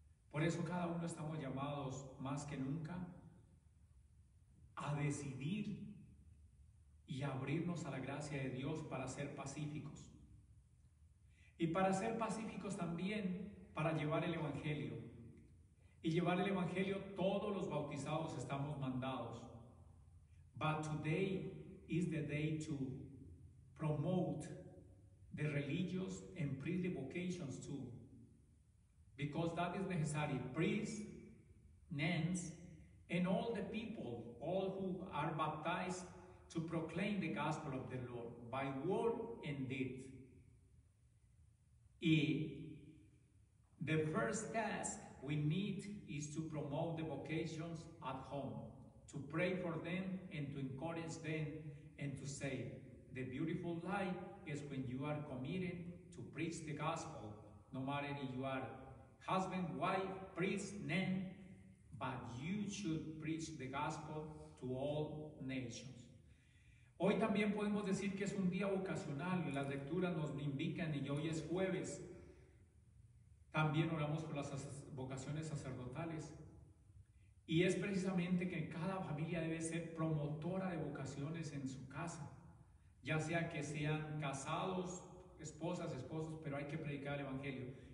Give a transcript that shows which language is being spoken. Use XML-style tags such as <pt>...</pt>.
<es>Por eso cada uno estamos llamados más que nunca a decidir y abrirnos a la gracia de Dios para ser pacíficos. Y para ser pacíficos también, para llevar el Evangelio. Y llevar el Evangelio, todos los bautizados estamos mandados.</es> <en>But today is the day to promote the religious and priestly vocations too. Because that is necessary. Priests, nuns, and all the people, all who are baptized, to proclaim the gospel of the Lord by word and deed. Y the first task we need is to promote the vocations at home, to pray for them and to encourage them and to say, the beautiful lie is when you are committed to preach the gospel, no matter if you are husband, wife, priest, nun, but you should preach the gospel to all nations.</en> <es>Hoy también podemos decir que es un día vocacional, las lecturas nos indican, y hoy es jueves. También oramos por las vocaciones sacerdotales. Y es precisamente que cada familia debe ser promotora de vocaciones en su casa, ya sea que sean casados, esposas, esposos, pero hay que predicar el evangelio.</es>